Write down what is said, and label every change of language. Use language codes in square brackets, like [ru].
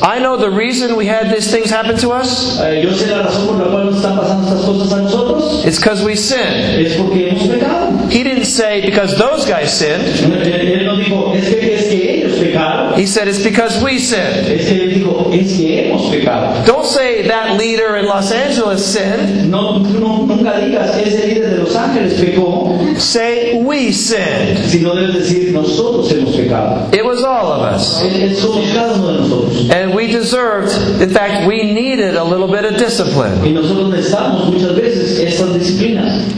[en] I know the reason we had these things happen to us. [es] Yo sé la razón por la cual nos están pasando estas cosas a nosotros. [en] It's because we sinned. [es] Es porque hemos pecado. [en] He didn't say, because those guys sinned. [es] Él no dijo, es que ellos pecaron. [en] He said, it's because we sinned. [es] Es que él dijo, es que hemos pecado. [en] Don't say that leader in Los Angeles sinned. [es] No, no, nunca digas, ese líder de Los Ángeles pecó. [en] Say, we sinned. [es] Si no debes decir, nosotros hemos pecado. [en] It was all of us. [es] Somos cada uno de nosotros. [en] And we deserved, in fact, we needed a little bit of discipline. [es] Y nosotros necesitamos muchas veces estas disciplinas.